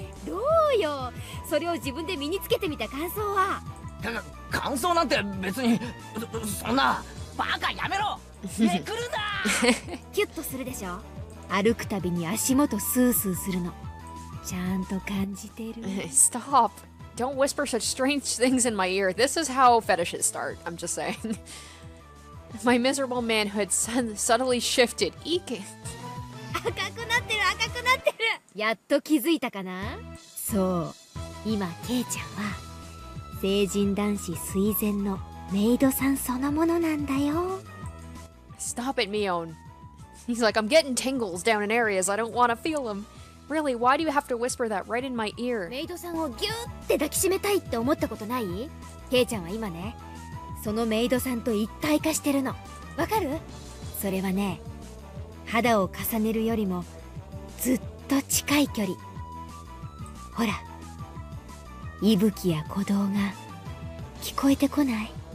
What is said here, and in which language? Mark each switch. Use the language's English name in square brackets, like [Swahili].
[Japanese] どうよ、それを自分で身につけてみた感想は。感想なんて別に、そんな、バカやめろ、めくるな。キュッとするでしょ、歩くたびに足元スースーするの、ちゃんと感じてる。 [English] Stop! Don't whisper such strange things in my ear. This is how fetishes start, I'm just saying. My miserable manhood suddenly shifted. Eek! [Japanese] 赤くなってる、赤くなってる。やっと気づいたかな。そう、今ケイちゃんは成人男子垂涎のメイドさんそのものなんだよ。 [English] Stop it, Mion. He's like, I'm getting tingles down in areas I don't want to feel them. Really, why do you have to whisper that right in my ear? [Japanese] メイドさんをギュって抱きしめたいって思ったことない？ケイちゃんは今ね、そのメイドさんと一体化してるの、わかる？それはね、肌を重ねるよりもずっと近い距離。ほら、息吹や鼓動が聞こえてこない？